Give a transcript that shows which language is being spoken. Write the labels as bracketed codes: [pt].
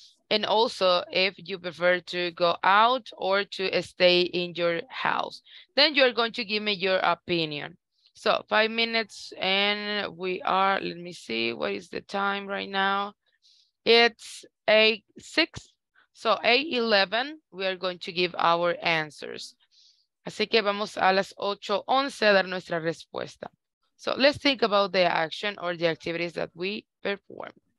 [en] And also if you prefer to go out or to stay in your house. Then you're going to give me your opinion. So 5 minutes and we are, let me see, what is the time right now? It's 8:06. So 8:11, we are going to give our answers. [es] Así que vamos a las 8:11 a dar nuestra respuesta. [en] So let's think about the action or the activities that we perform.